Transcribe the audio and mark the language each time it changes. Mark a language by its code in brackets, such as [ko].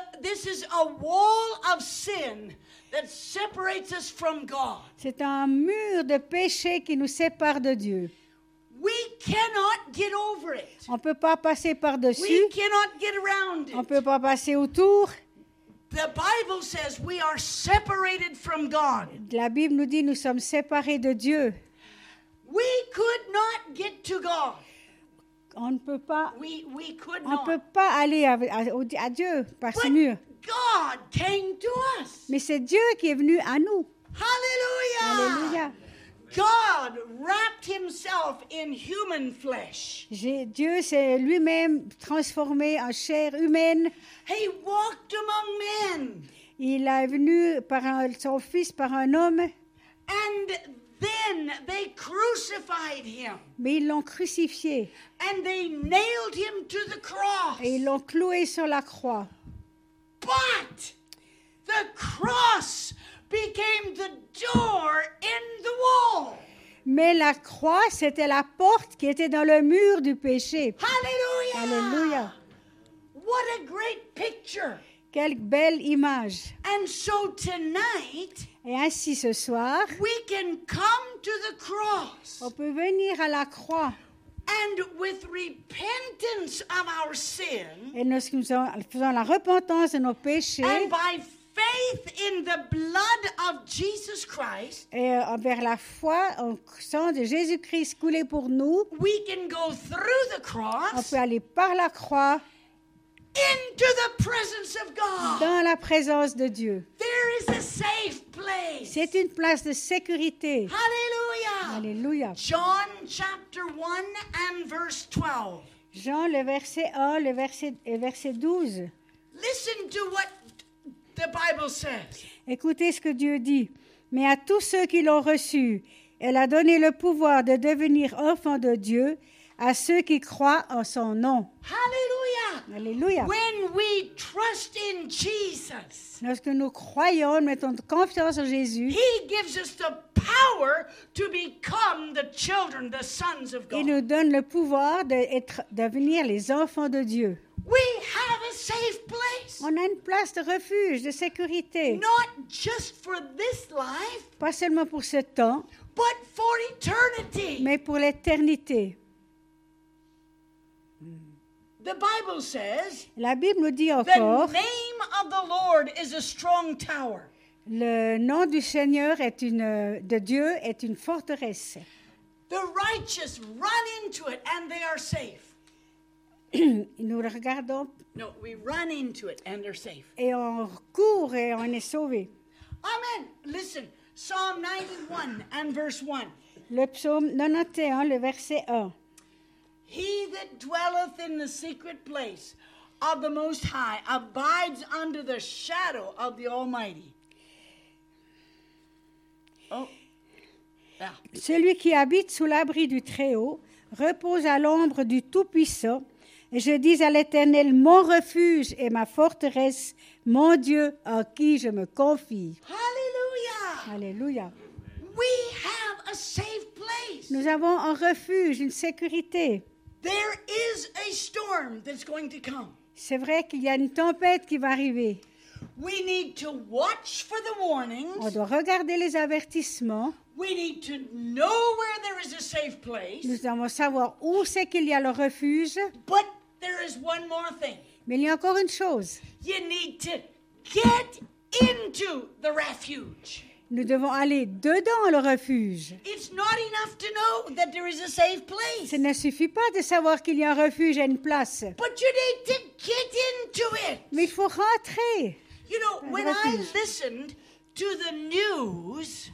[en] This is a wall of sin that separates us from God. [fr] C'est un mur de péché qui nous sépare de Dieu. [en] We cannot get over it. [fr] On peut pas passer par-dessus. [en] We cannot get around it. [fr] On peut pas passer autour. [en] The Bible says we are separated from God. [fr] La Bible nous dit nous sommes séparés de Dieu. [en] We could not get to God. [fr] On ne peut pas. [en] We could [fr] on [en] not. [fr] Peut pas aller à Dieu par [en] But [fr] ce mur. [en] God came to us. [fr] Mais c'est Dieu qui est venu à nous. Hallelujah. Hallelujah. [en] God wrapped himself in human flesh. [fr] Dieu s'est lui-même transformé en chair humaine. [en] He walked among men. [fr] Il est venu par son fils, par un homme. [en] And then they crucified him. [fr] Mais ils l'ont crucifié. [en] And they nailed him to the cross. [fr] Et ils l'ont cloué sur la croix. [en] But the cross became the door in the wall. [fr] Mais la croix, c'était la porte qui était dans le mur du péché. Hallelujah! Hallelujah! [en] What a great picture! [fr] Quelle belle image! [en] And so tonight, [fr] et ainsi ce soir, [en] we can come to the cross. [fr] On peut venir à la croix. [en] And with repentance of our sin, [fr] et nous faisons la repentance de nos péchés. [en] And by faith in the blood of Jesus Christ. [fr] Et envers la foi en sang de Jésus-Christ coulé pour nous. [en] We can go through the cross. [fr] On peut aller par la croix. [en] Into the presence of God. [fr] Dans la présence de Dieu. [en] There is a safe place. [fr] C'est une place de sécurité. Hallelujah. Hallelujah. [en] John chapter 1 and verse 12. [fr] Jean le verset 1 verset 12. [en] Listen to what the Bible says. [fr] Écoutez ce que Dieu dit. Mais à tous ceux qui l'ont reçu, elle a donné le pouvoir de devenir enfants de Dieu à ceux qui croient en son nom. Hallelujah. Hallelujah. [en] When we trust in Jesus. [fr] Lorsque nous croyons, mettons confiance en Jésus. [en] He gives us the power to become the children, the sons of God. [fr] Il nous donne le pouvoir d'être devenir les enfants de Dieu. [en] We have a safe place. [fr] On a une place de refuge, de sécurité. [en] Not just for this life. [fr] Pas seulement pour ce temps. [en] But for eternity. [fr] Mais pour l'éternité. [en] The Bible says. [fr] La Bible nous dit encore. [en] The name of the Lord is a strong tower. [fr] Le nom du Seigneur est Dieu est une forteresse. [en] The righteous run into it and they are safe. [fr] Nous regardons. [en] No, we run into it and are safe. [fr] Et on court et on est sauvé. [en] Amen. Listen, Psalm 91 and verse 1. [fr] Le psaume 91, le verset 1. [en] He that dwelleth in the secret place of the Most High abides under the shadow of the Almighty. Oh. Ah. [fr] Celui qui habite sous l'abri du Très-Haut repose à l'ombre du Tout-Puissant. Et je dis à l'Éternel, mon refuge et ma forteresse, mon Dieu en qui je me confie. Hallelujah. Hallelujah. [en] We have a safe place. [fr] Nous avons un refuge, une sécurité. [en] There is a storm that's going to come. [fr] C'est vrai qu'il y a une tempête qui va arriver. [en] We need to watch for the warnings. [fr] On doit regarder les avertissements. [en] We need to know where there is a safe place. [fr] Nous devons savoir où c'est qu'il y a le refuge. [en] But there is one more thing. [fr] Mais il y a encore une chose. [en] You need to get into the refuge. [fr] Nous devons aller dedans le refuge. [en] It's not enough to know that there is a safe place. [fr] Ce ne suffit pas de savoir qu'il y a un refuge et une place. [en] But you need to get into it. [fr] Mais il faut rentrer. [en] You know, when I listened to the news,